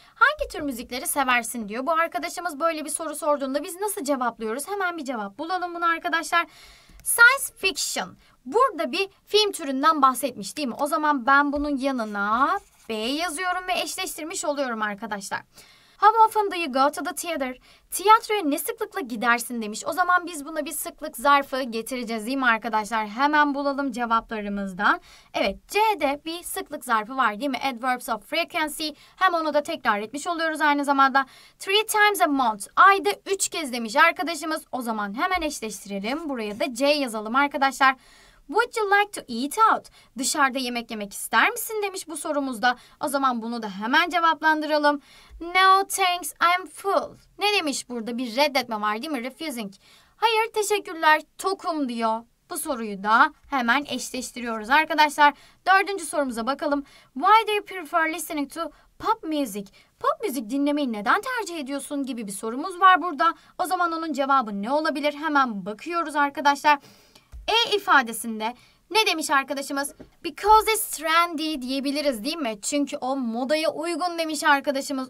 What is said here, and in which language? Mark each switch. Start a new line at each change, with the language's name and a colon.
Turkish: Hangi tür müzikleri seversin diyor. Bu arkadaşımız böyle bir soru sorduğunda biz nasıl cevaplıyoruz? Hemen bir cevap bulalım bunu arkadaşlar. Science fiction. Burada bir film türünden bahsetmiş değil mi? O zaman ben bunun yanına B yazıyorum ve eşleştirmiş oluyorum arkadaşlar.
English: How often do you go to the theater?
Turkish: Tiyatroya ne sıklıkla gidersin demiş. O zaman biz buna bir sıklık zarfı getireceğiz değil mi arkadaşlar? Hemen bulalım cevaplarımızdan. Evet, C'de bir sıklık zarfı var değil mi?
English: Adverbs of frequency.
Turkish: Hem onu da tekrar etmiş oluyoruz aynı zamanda.
English: Three times a month.
Turkish: Ayda 3 kez demiş arkadaşımız. O zaman hemen eşleştirelim. Buraya da C yazalım arkadaşlar.
English: Would you like to eat out?
Turkish: Dışarıda yemek yemek ister misin demiş bu sorumuzda. O zaman bunu da hemen cevaplandıralım.
English: No thanks, I'm full.
Turkish: Ne demiş burada? Bir reddetme var değil mi? Refusing. Hayır, teşekkürler, tokum diyor. Bu soruyu da hemen eşleştiriyoruz arkadaşlar. Dördüncü sorumuza bakalım.
English: Why do you prefer listening to pop music?
Turkish: Pop müzik dinlemeyi neden tercih ediyorsun gibi bir sorumuz var burada. O zaman onun cevabı ne olabilir? Hemen bakıyoruz arkadaşlar. E ifadesinde ne demiş arkadaşımız?
English: Because it's trendy
Turkish: diyebiliriz değil mi? Çünkü o modaya uygun demiş arkadaşımız.